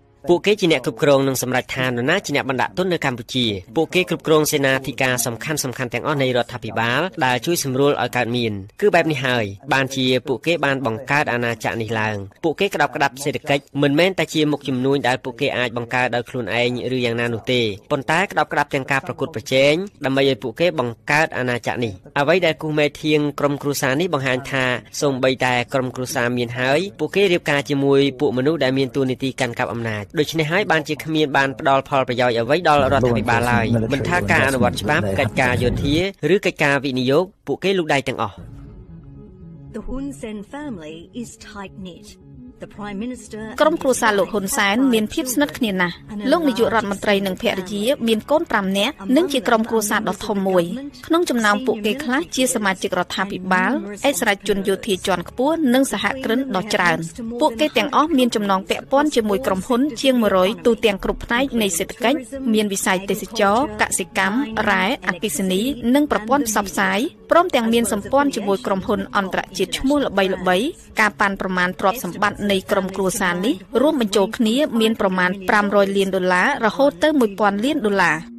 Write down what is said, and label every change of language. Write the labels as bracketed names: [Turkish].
[Khmer] ពួកគេជាអ្នកគ្រប់គ្រងនឹងសម្រេចឋាននរណាជាអ្នកបណ្ដាក់ទុននៅកម្ពុជាពួកគេគ្រប់គ្រងសេនាធិការសំខាន់ៗទាំងអស់នៃរដ្ឋាភិបាលដែលជួយសម្រួលឲ្យកើតមានគឺបែបនេះហើយបានជាពួកគេបានបង្កើតអាណាចក្រនេះឡើងពួកគេក្តោបក្តាប់សេដ្ឋកិច្ចមិនមែនតែជាមុខជំនួញដែលពួកគេអាចបង្កើតដោយខ្លួនឯងឬយ៉ាងណានោះទេប៉ុន្តែក្តោបក្តាប់ទាំងការប្រកួតប្រជែងដើម្បីឲ្យពួកគេបង្កើតអាណាចក្រនេះអ្វីដែលគូមេធៀងក្រុមគ្រួសារនេះបង្ហាញថា សូម្បីតែក្រុមគ្រួសារមានហើយពួកគេរៀបការជាមួយពួកមនុស្សដែលមានទូនីតិកាន់កាប់អំណាចដូច្នេះហើយបានជាគ្មានបានផ្ដល់ផលប្រយោជន៍អ្វីដល់រដ្ឋាភិបាលឡើយមិនថាការអនុវត្តច្បាប់កិច្ចការយោធាឬកិច្ចការវិនិយោគពួកគេលុះដៃទាំងអស់ [English] The Hun Sen family is tight knit The Prime Minister [Khmer] ក្រុមគ្រួសារលោកហ៊ុនសែនមានភាពស្និទ្ធគ្នាណាស់លោកនាយករដ្ឋមន្ត្រីនិងភរិយាមានកូន5នាក់និងជាក្រុមគ្រួសារដ៏ធំមួយក្នុងចំណោមពួកគេខ្លះជាសមាជិករដ្ឋាភិបាលឯកសារជនយោធាជាន់ខ្ពស់និងសហគ្រិនដ៏ច្រើន ពួកគេទាំងអស់មានចំណងពាក់ព័ន្ធជាមួយក្រុមហ៊ុនជាង100ទូទាំងគ្រប់ផ្នែកនៃសេដ្ឋកិច្ចមានវិស័យទេសចរកសិកម្មរ៉ែអគិសនីនិងប្រព័ន្ធផ្សព្វផ្សាយព្រមទាំងមានសម្ព័ន្ធជាមួយក្រុមហ៊ុនអន្តរជាតិឈ្មោះល្បីៗការប៉ាន់ប្រមាណទ្រព្យសម្បត្តិនៃក្រុមគ្រួសារនេះរួមបញ្ចូលគ្នាមានប្រមាណ500,000,000 ដុល្លាររហូតទៅ1,000,000ដុល្លារ